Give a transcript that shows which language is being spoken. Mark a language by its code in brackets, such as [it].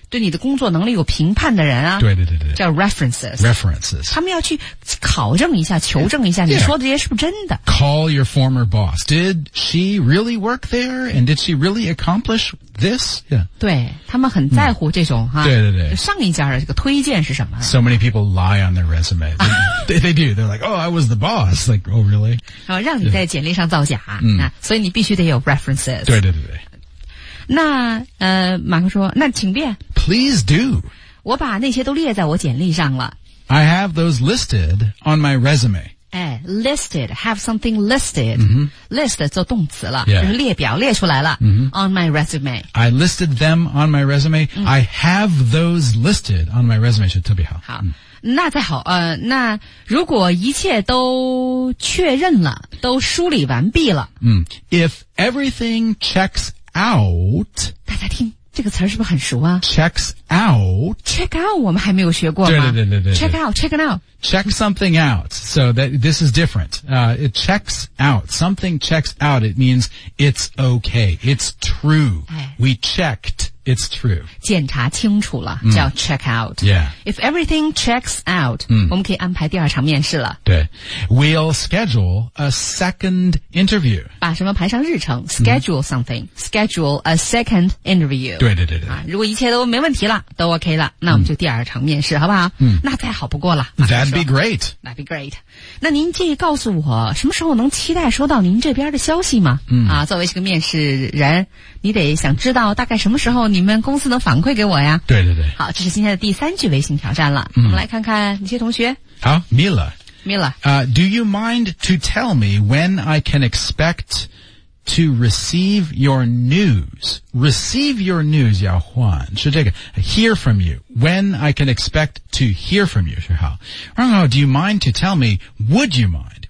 [zh] 对你的工作能力有评判的人啊，对对对对，叫 references [en] references [zh] 他们要去考证一下求证一下、yeah. 你说的这些是不是真的 [en] call your former boss did she really work there and did she really accomplish this、yeah. [zh] 对他们很在乎这种、mm-hmm. 啊、对对对上一家的这个推荐是什么 [en] so many people lie on their resume they do they're like oh I was the boss like oh really [zh] 然后让你在简历上造假、yeah. 啊 mm-hmm. 所以你必须得有 references 对对对对那马克说那请便 [en] Please do [zh] 我把那些都列在我简历上了 [en] I have those listed on my resume 哎 listed have something listed、 mm-hmm. [zh] list 做动词了、 yeah. 就是列表列出来了、 mm-hmm. [en] on my resume I listed them on my resume、mm-hmm. I have those listed on my resume [zh] 就特别好好、那再好那如果一切都确认了都梳理完毕了、 [en] mm-hmm. If everything checks outOut, [zh] 大家听这个词儿是不是很熟啊 [en] ?checks out. [zh] check out, 我们还没有学过吗对对对对对。 [en] check out, check it out. check something out, so that this is different. It checks out. Something checks out, it means it's okay. It's true.、哎、 We checked, it's true. [zh] 检查清楚了叫 check out.、 Mm. Yeah. [en] If everything checks out,、 mm. [zh] 我们可以安排第二场面试了。 [en] 对。We'll schedule a second interview. [zh] 把什么排上日程 [en] ?schedule something.、Mm. schedule a second interview. [zh] 对对对对、啊。如果一切都没问题了都 OK 了那我们就第二场面试、mm. 好不好、 mm. 那再好不过了。 [en] That'd be great. That'd be great. [zh] 那您介意告诉我什么时候能期待收到您这边的消息吗、 mm. 啊作为这个面试人你得想知道大概什么时候你们公司能反馈给我呀。对对对。好这是今天的第三句微信挑战了。 Mm. 我们来看看哪些同学。好 ,Mila。 Mila。 [en] Do you mind to tell me when I can expect... To receive your news. Receive your news, [zh] 要换是这个 [en] Hear from you. When I can expect to hear from you, 是好 Oh, do you mind to tell me? Would you mind?